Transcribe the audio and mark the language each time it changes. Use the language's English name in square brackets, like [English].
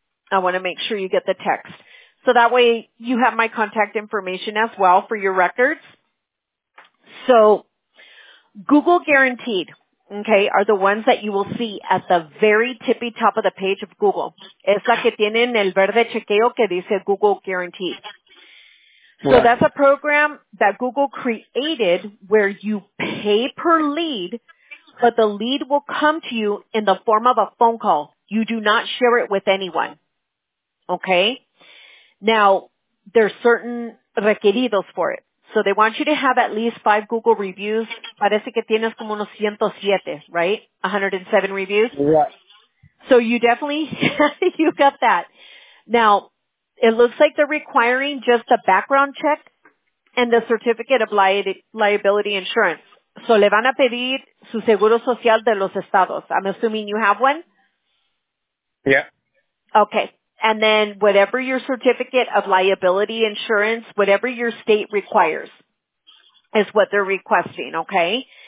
[English] I want to make sure you get the text. So that way you have my contact information as well for your records. So Google Guaranteed, okay, are the ones that you will see at the very tippy top of the page of Google. [Spanish] Es la que tienen el verde chequeo que dice Google Guaranteed. [English] Right. So that's a program that Google created where you pay per lead, but the lead will come to you in the form of a phone call. You do not share it with anyone, okay? Now, there's certain requeridos for it. So they want you to have at least 5 Google reviews. [Spanish] Parece que tienes como unos 107, right? 107 reviews. [English] Right. So you definitely, you got that. Now, it looks like they're requiring just a background check and the certificate of liability insurance. [Spanish] So le van a pedir su seguro social de los estados. [English] I'm assuming you have one? Yeah. Okay. And then whatever your certificate of liability insurance, whatever your state requires is what they're requesting, okay?